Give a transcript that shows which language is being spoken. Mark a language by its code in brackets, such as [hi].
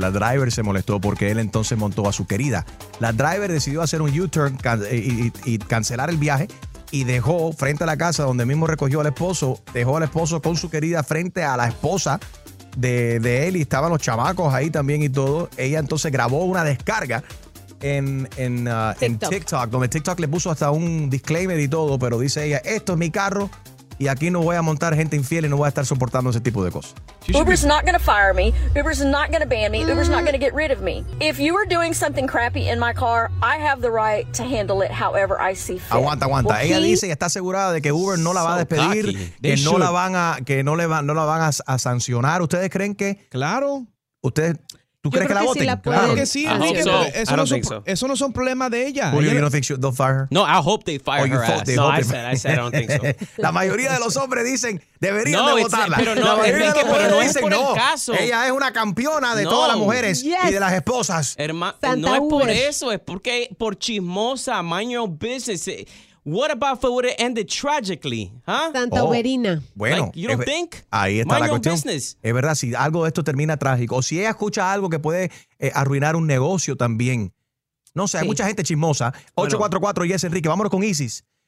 [es] La driver se molestó porque él entonces montó a su querida. La driver decidió hacer un U-turn y cancelar el viaje y dejó frente a la casa donde mismo recogió al esposo, dejó al esposo con su querida frente a la esposa de él y estaban los chamacos ahí también y todo. Ella entonces grabó una descarga en TikTok, donde TikTok le puso hasta un disclaimer y todo, pero dice ella, esto es mi carro y aquí no voy a montar gente infiel y no voy a estar soportando ese tipo de cosas. [en] Uber's not gonna fire me, Uber's not gonna ban me, Uber's not gonna get rid of me. If you are doing something crappy in my car, I have the right to handle it however I see fit. [es] Aguanta. Well, ella dice y está asegurada de que Uber no la va a despedir, que no la van a sancionar. ¿Ustedes creen que? Claro. ¿Tú crees que la voten? Claro que sí. Eso no son problemas de ella. [en] Julio, you don't think they'll fire her? No, I hope they fire her. I don't think so. [es] La mayoría de los hombres dicen deberían de votarla. Pero no es por el caso. Ella es una campeona de todas las mujeres y de las esposas. No es por eso, es porque por chismosa, [en] mind your business. What about if it would have ended tragically? Huh? [es] Santa Uberina. Bueno. [en] Like, you don't think? [es] Ahí está la cuestión. Business. Es verdad, si algo de esto termina trágico. O si ella escucha algo que puede arruinar un negocio también. No sé, hay mucha gente chismosa. 844-YES-ENRIQUE. Vámonos con ISIS.